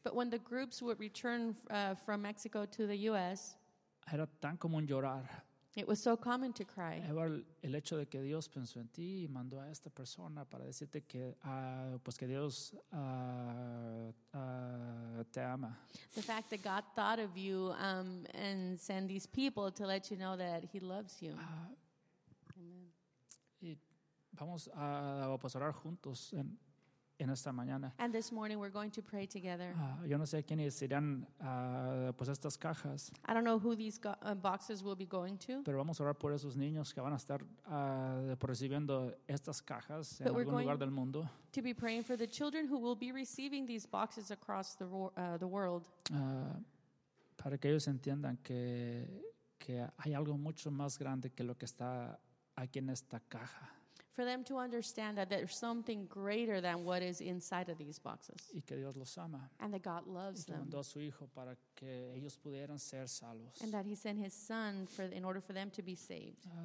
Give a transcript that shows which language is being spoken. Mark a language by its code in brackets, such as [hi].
[en] But when the groups would return from Mexico to the U.S., [es] era tan común llorar. [en] It was so common to cry. [es] El hecho de que Dios pensó en ti y mandó a esta persona para decirte que, pues que Dios te ama. [en] The fact that God thought of you and sent these people to let you know that He loves you. Amen. [es] Y vamos a orar juntos en esta mañana. [en] And this morning we're going to pray together. [es] Yo no sé quiénes serán pues estas cajas. [en] I don't know who these boxes will be going to. [es] Pero vamos a orar por esos niños que van a estar recibiendo estas cajas en algún lugar del mundo. [en] To be praying for the children who will be receiving these boxes across the world. [es] Para que ellos entiendan que hay algo mucho más grande que lo que está aquí en esta caja. [en] For them to understand that there's something greater than what is inside of these boxes. [es] Y que Dios los ama. [en] And that God loves them. [es] Y mandó a su hijo para que ellos pudieran ser salvos. [en] And that He sent His Son in order for them to be saved.